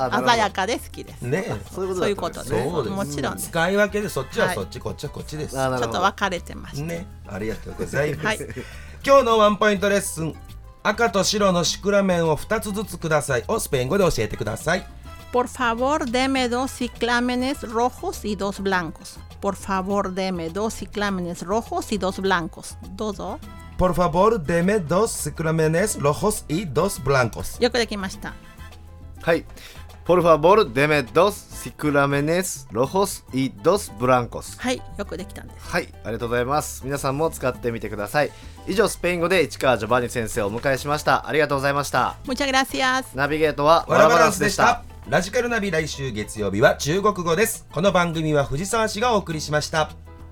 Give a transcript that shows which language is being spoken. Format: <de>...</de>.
<ja>あ、鮮やかで好きです。ね、そういうことだったんですね。そうです、もちろんです、うん、使い分けで、そっちはそっち、はい、こっちはこっちです。ちょっと分かれてまして、ね、ありがとうございます、はい、今日のワンポイントレッスン、赤と白のシクラメンを2つずつくださいをスペイン語で教えてください。</ja> <es>Por favor, deme dos ciclámenes rojos y dos blancos. Por favor, deme dos ciclámenes rojos y dos blancos.</es> <ja>どうぞ。</ja> <es>Por favor, deme dos ciclámenes rojos y dos blancos.</es> <ja>よくできました。はい。</ja> <es>Por favor, deme dos ciclámenes rojos y dos blancos.</es> <ja>はい、よくできたんです。はい、ありがとうございます。皆さんも使ってみてください。以上、スペイン語で市川ジョバニ先生をお迎えしました。ありがとうございました。</ja> <es>Muchas gracias.</es> <ja>ナビゲートはワラバランスでした。ラジカルナビ、来週月曜日は中国語です。この番組は藤沢市がお送りしました。</ja>